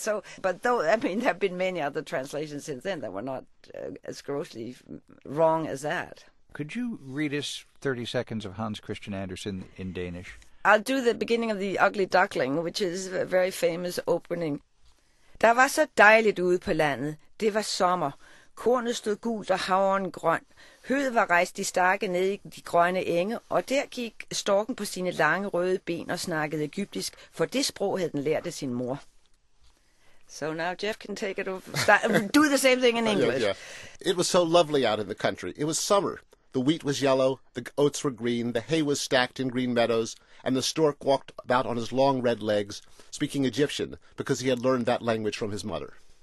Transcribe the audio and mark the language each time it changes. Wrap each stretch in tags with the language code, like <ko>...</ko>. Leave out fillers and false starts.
<en>So, but though, I mean, there have been many other translations since then that were not as grossly wrong as that. Could you read us 30 seconds of Hans Christian Andersen in Danish? I'll do the beginning of The Ugly Duckling, which is a very famous opening.</en> <da>Der var så dejligt ude på landet. Det var sommer. Kornet stod gult og havren grøn. Høet var rejst i stakke ned i de grønne enge, og der gik storken på sine lange røde ben og snakkede egyptisk, for det sprog havde den lært af sin mor.</da> <en>So now Jeff can take it over. Do the same thing in English. Yeah. It was so lovely out in the country. It was summer. The wheat was yellow, the oats were green, the hay was stacked in green meadows, and the stork walked about on his long red legs, speaking Egyptian, because he had learned that language from his mother.</en>